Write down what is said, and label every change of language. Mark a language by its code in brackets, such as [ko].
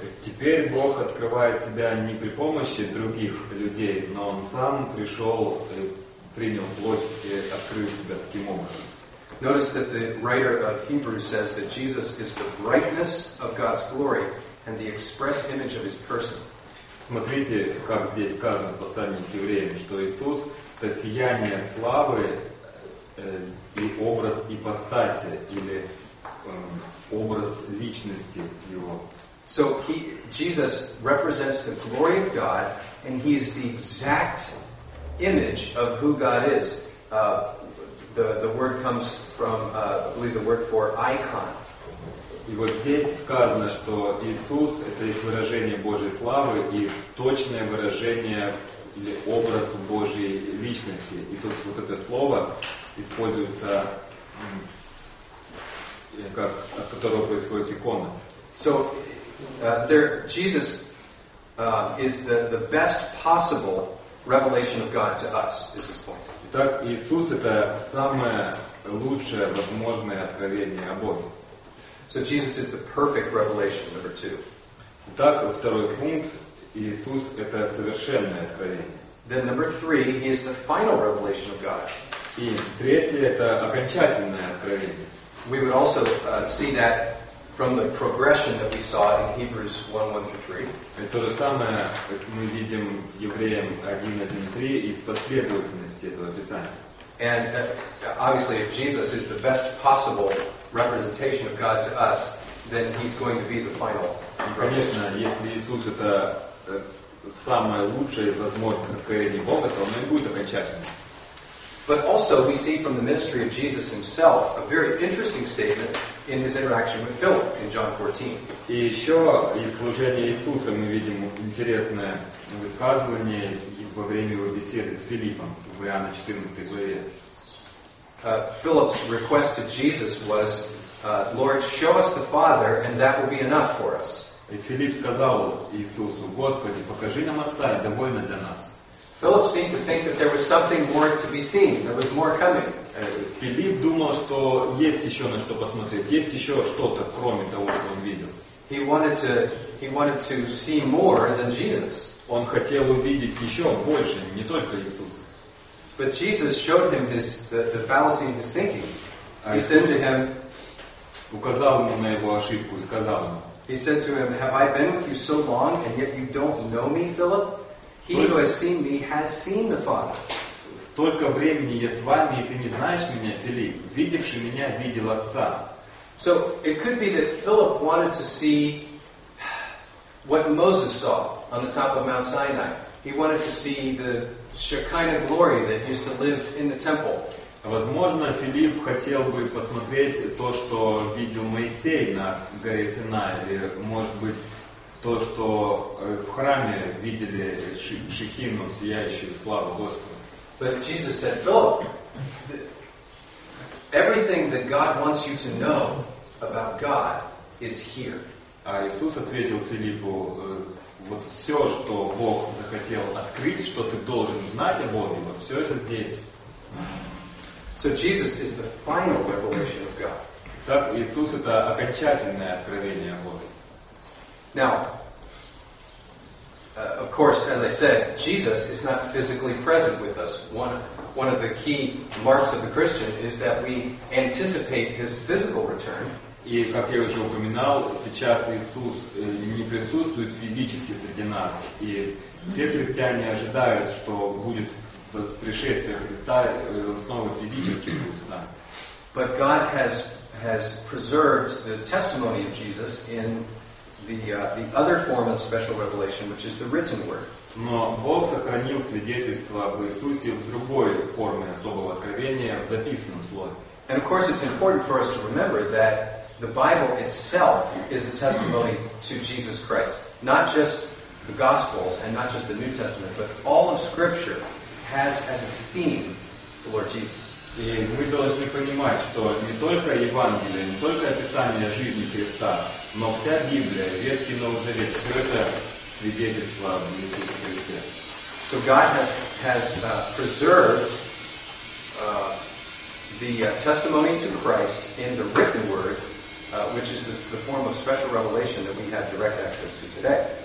[ru] Теперь Бог открывает себя не при помощи других людей, но он сам пришел, принял плоть и открыл себя таким образом. [en] Notice that the writer of Hebrews says that Jesus is the brightness of God's glory and the express image of his person. [ru] Смотрите, как здесь сказано в послании к евреям, что Иисус — это сияние славы и образ ипостаси, или образ личности его. [en] So Jesus represents the glory of God and he is the exact image of who God is. The word comes from, I believe, the word for icon. [ru] И вот здесь сказано, что Иисус — это есть выражение Божьей славы и точное выражение или образ Божьей личности. И тут вот это слово используется, как, от которого происходит икона. [en] So, Jesus is the best possible revelation of God to us, is his point. [ru] Итак, Иисус — это самое лучшее возможное откровение о Боге. [en] So Jesus is the perfect revelation, number two. [ru] Итак, второй пункт. Иисус — это совершенное откровение. [en] Then number three, he is the final revelation of God. [ru] И третье — это окончательное откровение. [en] We would also see that from the progression that we saw in Hebrews 1:1-3. [ru] Это то же самое, как мы видим в Евреям 1:1-3 из последовательности этого Писания. [en] And obviously, if Jesus is the best possible representation of God to us, then he's going to be the final. [ru] Конечно, если Иисус — это самое лучшее из возможных откровений Бога, то он и будет окончательным. [en] But also we see from the ministry of Jesus himself a very interesting statement in his interaction with Philip in John 14. [ru] И еще из служения Иисуса мы видим интересное высказывание во время его беседы с Филиппом в Иоанна 14 главе. [en] Philip's request to Jesus was, Lord, show us the Father and that will be enough for us. [ru] И Филипп сказал Иисусу: Господи, покажи нам Отца, и довольно для нас. [en] Philip seemed to think that there was something more to be seen. There was more coming. [ru] Филипп думал, что есть еще на что посмотреть, есть еще что-то кроме того, что он видел. [en] He wanted to see more than Jesus. [ru] Он хотел увидеть еще больше, не только Иисуса. [en] But Jesus showed him this, the fallacy of his thinking. He said to him, [ru] указал ему на его ошибку и сказал ему. [en] He said to him, "Have I been with you so long, and yet you don't know me, Philip? He who has seen me has seen the Father." [ru] Столько времени я с вами, и ты не знаешь меня, Филипп. Видевший меня видел Отца. [en] So it could be that Philip wanted to see what Moses saw on the top of Mount Sinai. He wanted to see the Shekinah glory that used to live in the temple. [ru] Возможно, Филипп хотел бы посмотреть то, что видел Моисей на горе Синай, или, может быть, то, что в храме видели Шехину, сияющую славу Господа. [en] But Jesus said, Philip, everything that God wants you to know about God is here. [ru] А Иисус ответил Филиппу, вот все, что Бог захотел открыть, что ты должен знать о Боге, вот все это здесь. [en] So Jesus is the final revelation of God. [ru] Так Иисус это окончательное откровение о Боге. [en] Now, of course, as I said, Jesus is not physically present with us. One of the key marks of the Christian is that we anticipate his physical return. [ru] И, как я уже упоминал, сейчас Иисус не присутствует физически среди нас. И все христиане ожидают, что будет пришествие Христа, он снова физически будет с нами. [en] But God has preserved the testimony of Jesus in the other form of special revelation, which is the written word. [ru] Но Бог сохранил свидетельство об Иисусе в другой форме особого откровения, в записанном слове. [en] And of course it's important for us to remember that the Bible itself is a testimony to Jesus Christ. Not just the Gospels and not just the New Testament, but all of Scripture has as its theme the Lord Jesus. [ru] И мы должны понимать, что не только Евангелие, не только описание жизни Христа, но вся Библия, Ветхий и Новый Завет, все это свидетельство об Иисусе Христе. [en] So God has preserved the testimony to Christ in the written word, which is the form of special revelation that we have direct access to today.